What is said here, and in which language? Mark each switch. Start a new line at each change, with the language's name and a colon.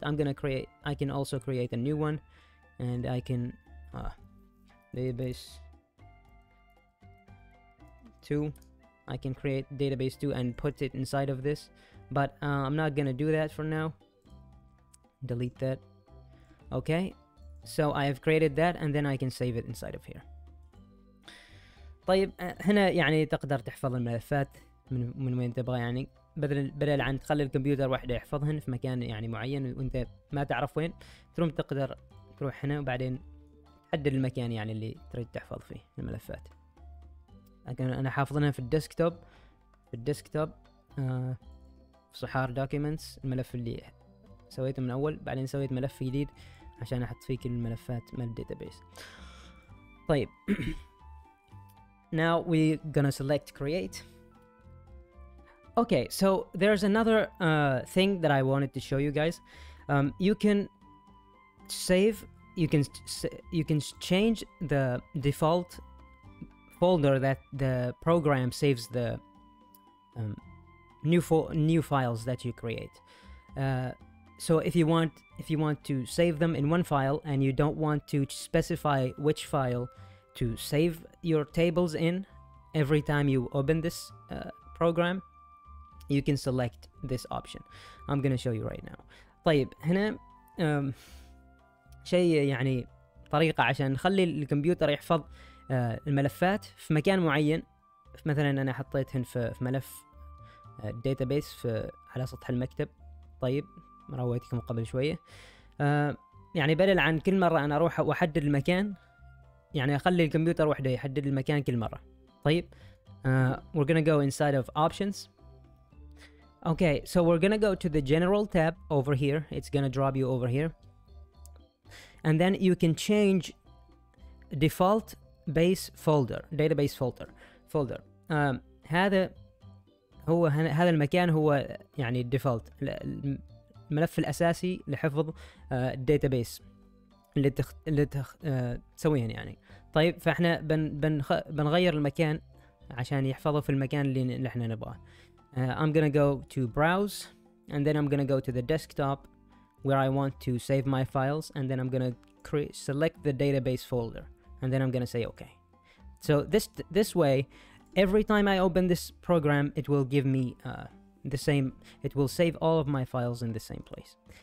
English: I'm gonna create, I can also create a new one, and I can database 2, I can create database 2 and put it inside of this, but I'm not gonna do that for now. Delete that. Okay, So I have created that, and then I can save it inside of here.
Arabic: طيب هنا يعني تقدر تحفظ الملفات من وين تبغى يعني بدل عن تخلي الكمبيوتر وحده يحفظهن في مكان يعني معين وانت ما تعرف وين تروم تقدر تروح هنا وبعدين تحدد المكان يعني اللي تريد تحفظ فيه الملفات لكن انا حافظنها في الديسكتوب في الديسكتوب في صحار دوكيمنتس الملف اللي سويته من اول بعدين سويت ملف جديد عشان احط فيه كل الملفات مال الداتابيس طيب
English: Now we're gonna select create. Okay, so there's another thing that I wanted to show you guys. You can save, you can change the default folder that the program saves the new files that you create. So if you want to save them in one file and you don't want to specify which file to save your tables in every time you open this program, you can select this option. I'm gonna show you right now.
Arabic: طيب هنا شيء يعني طريقة عشان نخلي الكمبيوتر يحفظ الملفات في مكان معين. مثلا أنا حطيتهن في ملف database على سطح المكتب. طيب مرويتكم قبل شوية. يعني بدل عن كل مرة أنا أروح وأحدد المكان يعني أخلي الكمبيوتر وحده يحدد المكان كل مرة.
English: طيب we're gonna go inside of options. Okay, so we're gonna go to the general tab over here. It's gonna drop you over here. And then you can change default base folder, database folder.
Arabic: هذا هو هذا المكان هو يعني الديفولت الملف الأساسي لحفظ database اللي تسويهن يعني. طيب فاحنا بنغير المكان عشان يحفظه في المكان اللي احنا نبغاه.
English: I'm gonna go to browse and then I'm gonna go to the desktop where I want to save my files and then I'm gonna select the database folder and then I'm gonna say okay. So this way, every time I open this program, it will give me the same, it will save all of my files in the same place.